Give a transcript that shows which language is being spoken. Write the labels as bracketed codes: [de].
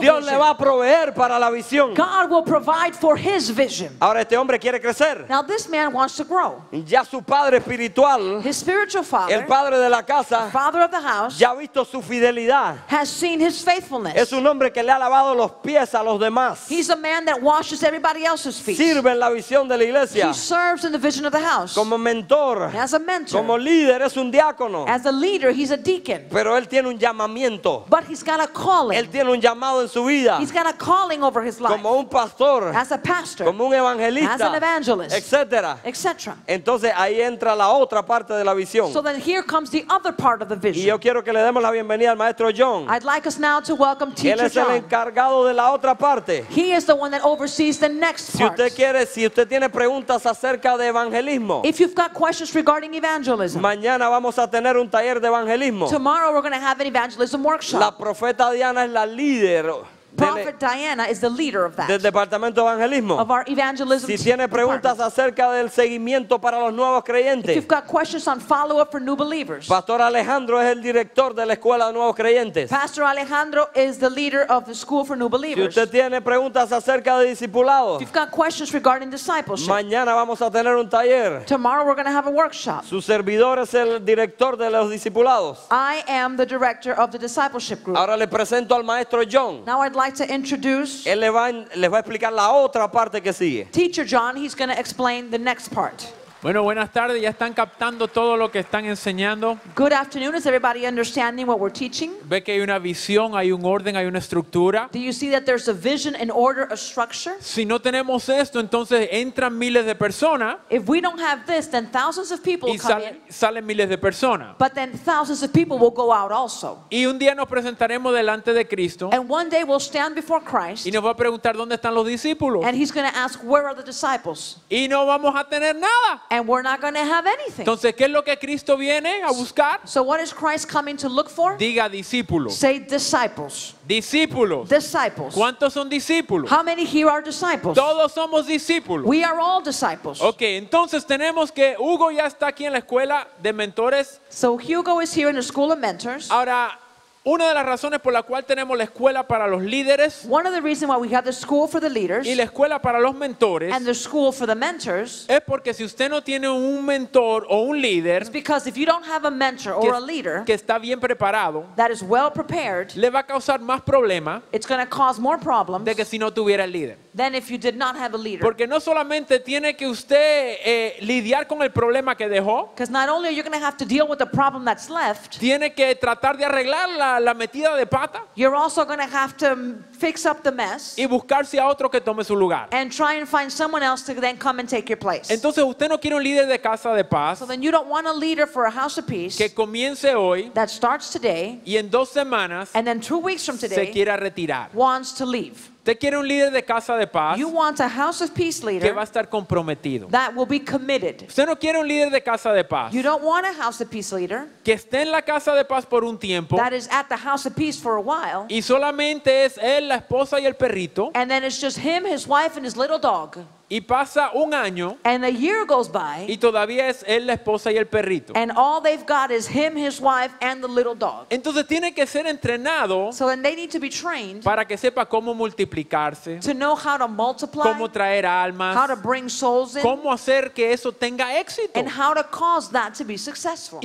[es] Dios le va a proveer para la visión. [en] God will provide for his vision. [es] Ahora este hombre quiere crecer. [en] Now this man wants to grow. [es] Ya su padre espiritual, [en] his spiritual father, [es] el padre de la casa, [en] father of the house, [es] ya ha visto su fidelidad, [en] has seen his faithfulness. [es] Es un hombre que le ha lavado los pies a los demás. [en] He's a man that washes everybody else's feet. [es] Sirve en la visión de la iglesia. [en] He serves in the vision of the house. [es] Como mentor, [en] as a mentor. [es] Como líder, es un diácono. [en] As a leader, he's a deacon. [es] Pero él tiene un llamamiento. [en] But he's got a calling. [es] Él tiene un llamado en su vida. [en] He's got a calling over his life. [es] Como un pastor. [en] As a pastor. [es] Como un evangelista. [en] As an evangelist. [es] Etcétera. [en] Etcétera. [es] Entonces ahí entra la otra parte de la visión. [en] So then here comes the other part of the vision. [es] Y yo quiero que le demos la bienvenida al maestro John. [en] I'd like us now to welcome teacher John. [es] Él es el encargado de la otra parte. [en] He is the one that oversees the next part. [es] Si usted quiere, si usted tiene preguntas acerca de evangelismo, [en] if you've got questions regarding evangelism, [es] mañana vamos a tener un taller de evangelismo. [en] Tomorrow we're going to have an evangelism workshop. [es] La profeta Diana es la líder. [en] Prophet Diana is the leader of that. [es] Del departamento de evangelismo. [en] Of our evangelism. [es] Si tiene preguntas acerca del seguimiento para los nuevos creyentes. [en] If you've got questions on follow-up for new believers. [es] Pastor Alejandro es el director de la escuela de nuevos creyentes. [en] Pastor Alejandro is the leader of the school for new believers. [es] Si usted tiene preguntas acerca de discipulado. [en] If you've got questions regarding discipleship. [es] Mañana vamos a tener un taller. [en] Tomorrow we're going to have a workshop. [es] Su servidor es el director de los discipulados. [en] I am the director of the discipleship group. [es] Ahora le presento al maestro John. [en] Now I'd like to introduce Teacher John. He's going to explain the next part. [es] Bueno, buenas tardes. Ya están captando todo lo que están enseñando. [en] Good afternoon. Is everybody understanding what we're teaching? [es] Ve que hay una visión, hay un orden, hay una estructura. [en] Do you see that there's a vision, an order, a structure? [es] Si no tenemos esto, entonces entran miles de personas. [en] If we don't have this, then thousands of people [es] y [en] will come in. [es] Salen miles de personas. [en] But then thousands of people will go out also. [es] Y un día nos presentaremos delante de Cristo. [en] And one day we'll stand before Christ. [es] Y nos va a preguntar dónde están los discípulos. [en] And he's going to ask, where are the disciples? [es] Y no vamos a tener nada. [en] And we're not going to have anything. [es] Entonces, ¿qué es lo que Cristo viene a buscar? [en] So what is Christ coming to look for? [es] Diga discípulos. [en] Say disciples. [es] Discípulos. [en] Disciples. [es] ¿Cuántos son discípulos? [en] How many here are disciples? [es] Todos somos discípulos. [en] We are all disciples. [es] Okay, entonces tenemos que Hugo ya está aquí en la escuela de mentores. [en] So Hugo is here in the school of mentors. [es] Ahora, una de las razones por la cual tenemos la escuela para los líderes. [en] One of the reasons why we have the school for the leaders. [es] Y la escuela para los mentores. [en] And the school for the mentors. [es] Es porque si usted no tiene un mentor o un líder. [en] It's because if you don't have a mentor or a leader. [es] Que está bien preparado. [en] That is well prepared. [es] Le va a causar más problemas. [en] It's going to cause more problems. [es] De que si no tuviera el líder. [en] Than if you did not have a leader. [es] Porque no solamente tiene que usted lidiar con el problema que dejó. [en] Because not only are you going to have to deal with the problem that's left. [es] Tiene que tratar de arreglarla. La metida de pata. [en] You're also going to have to fix up the mess. [es] Y buscarse a otro que tome su lugar. [en] And try and find someone else to then come and take your place. [es] Entonces usted no quiere un líder de casa de paz. [en] So then you don't want a leader for a house of peace. [es] Que comience hoy. [en] That starts today. [es] Y en dos semanas. [en] And then 2 weeks from today. [es] Se quiera retirar. [en] Wants to leave. [es] Usted quiere un líder de casa de paz. [en] You want a house of peace leader. [es] Que va a estar comprometido. [en] That will be committed. [es] Usted no quiere un líder de casa de paz. [en] You don't want a house of peace leader. [es] Que esté en la casa de paz por un tiempo. [en] That is at the house of peace for a while. [es] Y solamente es él, la esposa y el perrito. [en] And then it's just him, his wife and his little dog. [es] Y pasa un año. [en] And a year goes by. [es] Y todavía es él, la esposa y el perrito. [en] And all they've got is him, his wife and the little dog. [es] Entonces tiene que ser entrenado. [en] So then they need to be trained. [es] Para que sepa cómo multiplicarse. [en] To know how to multiply. [es] Cómo traer almas. [en] How to bring souls in. [es] Cómo hacer que eso tenga éxito. [en] And how to cause that to be successful.